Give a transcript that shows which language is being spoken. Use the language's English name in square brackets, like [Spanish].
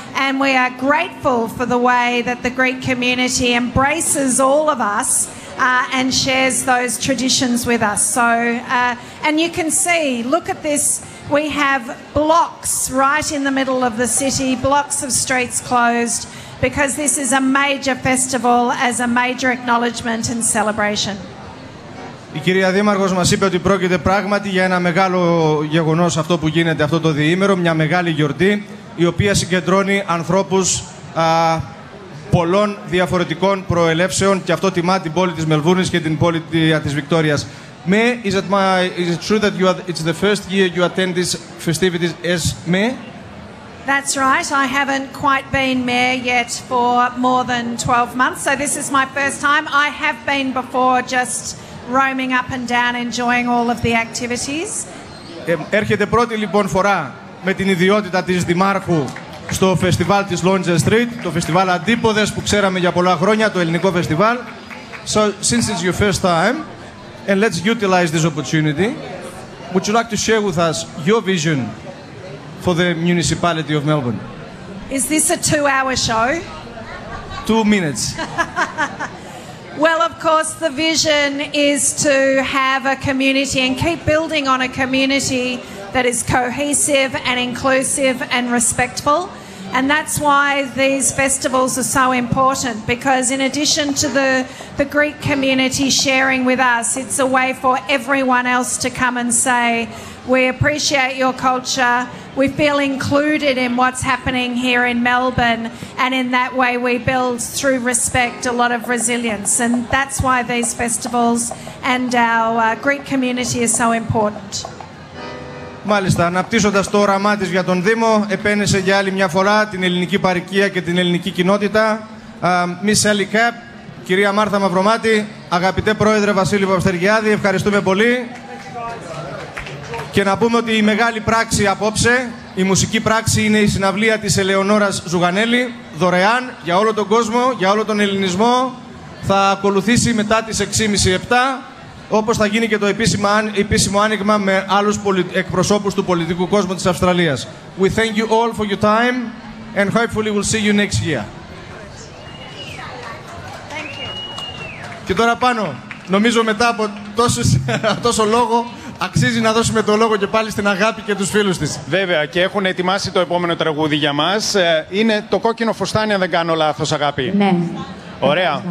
[English] And we are grateful for the way that the Greek community embraces all of us and shares those traditions with us. So, and you can see, look at this. We have blocks right in the middle of the city, blocks of streets closed, because this is a major festival as a major acknowledgement and celebration. [Greek] Η κυρία Δήμαρχος μας είπε ότι πρόκειται πράγματι για ένα μεγάλο γεγονός αυτό που γίνεται αυτό το διήμερο, μια μεγάλη γιορτή, η οποία συγκεντρώνει ανθρώπους πολλών διαφορετικών προελεύσεων και αυτό τιμά την πόλη της Μελβούρνης και την πόλη της Βικτόριας. [English] May, is it true that it's the first year you attend this festivities as mayor? That's right. I haven't quite been mayor yet for more than 12 months, so this is my first time. I have been before just roaming up and down, enjoying all of the activities. [Greek] Έρχεται πρώτη λοιπόν φορά με την ιδιότητα της Δημάρχου στο φεστιβάλ της Lonja Street, το φεστιβάλ Αντίποδες που ξέραμε για πολλά χρόνια, το ελληνικό φεστιβάλ. [English] So, since it's your first time, and let's utilize this opportunity. Would you like to share with us your vision for the municipality of Melbourne? Is this a two-hour show? 2 minutes. Well, of course, the vision is to have a community and keep building on a community that is cohesive and inclusive and respectful. And that's why these festivals are so important, because in addition to the Greek community sharing with us, it's a way for everyone else to come and say, we appreciate your culture, we feel included in what's happening here in Melbourne, and in that way we build, through respect, a lot of resilience. And that's why these festivals and our Greek community are so important. [Greek] Μάλιστα, αναπτύσσοντας το όραμά της για τον Δήμο, επένεσε για άλλη μια φορά την ελληνική παροικία και την ελληνική κοινότητα. Miss Sally Kapp, κυρία Μάρθα Μαυρομάτη, αγαπητέ πρόεδρε Βασίλη Βαστεργιάδη, ευχαριστούμε πολύ. Και να πούμε ότι η μεγάλη πράξη απόψε, η μουσική πράξη, είναι η συναυλία της Ελεονόρας Ζουγανέλη, δωρεάν για όλο τον κόσμο, για όλο τον ελληνισμό. Θα ακολουθήσει μετά τις 18:30. Όπως θα γίνει και το επίσημο άνοιγμα με άλλους εκπροσώπους του πολιτικού κόσμου της Αυστραλίας. [English] We thank you all for your time and hopefully we'll see you next year. Thank you. [Greek] Και τώρα πάνω, νομίζω μετά από τόσο λόγο, αξίζει να δώσουμε το λόγο και πάλι στην αγάπη και τους φίλους της. Βέβαια, και έχουν ετοιμάσει το επόμενο τραγούδι για μας. Είναι το κόκκινο φουστάνι, αν δεν κάνω λάθος, αγάπη. Ναι. Ωραία. Ναι.